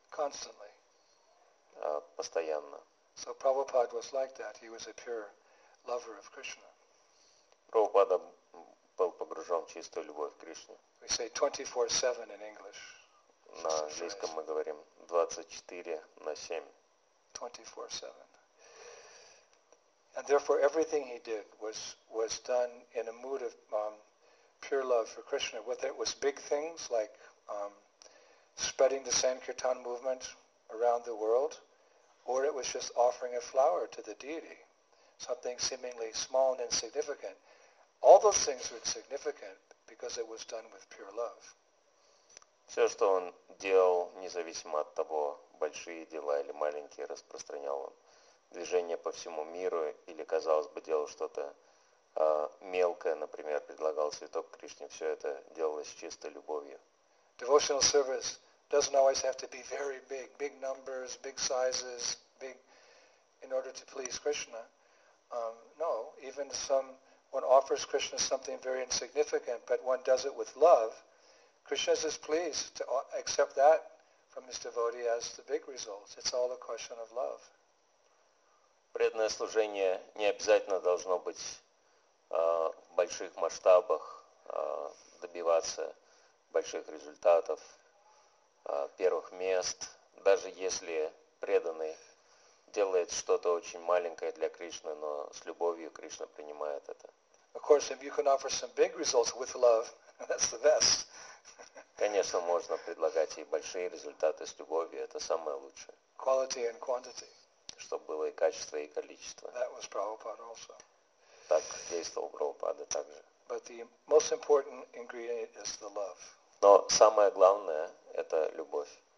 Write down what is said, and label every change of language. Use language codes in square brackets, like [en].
[en] Constantly. [ru] Постоянно. [en] So Prabhupada was like that. He was a pure lover of Krishna. [ru] Прабхупада был погружен в чистую любовь к Кришне. [en] We say 24/7 in English. [ru] На английском мы говорим 24/7. [en] And therefore everything he did was done in a mood of pure love for Krishna, whether it was big things like spreading the Sankirtan movement around the world, or it was just offering a flower to the deity, something seemingly small and insignificant. All those things were significant because it was done with pure love. [ru] Все, что он делал, независимо от того, большие дела или маленькие, распространял он движение по всему миру, или, казалось бы, делал что-то мелкое, например, предлагал цветок Кришне, все это делалось с чистой любовью. [en] Devotional service doesn't always have to be very big, big numbers, big sizes, big, in order to please Krishna. No, even some, one offers Krishna something very insignificant, but one does it with love, Krishna is just pleased to accept that from his devotee as the big result. It's all a question of love. [ru] Преданное служение не обязательно должно быть в больших масштабах, добиваться больших результатов, первых мест. Даже если преданный делает что-то очень маленькое для Кришны, но с любовью Кришна принимает это. [en] Of course, if you can offer some big results with love, that's the best. [ru] Конечно, можно предлагать и большие результаты с любовью, это самое лучшее. [en] Quality and quantity. [ru] Чтобы было и качество, и количество. [en] That was Prabhupada also. [ru] Так действовал Прабхупада также. [en] But the most important ingredient is the love. [ru] Но самое главное – это любовь.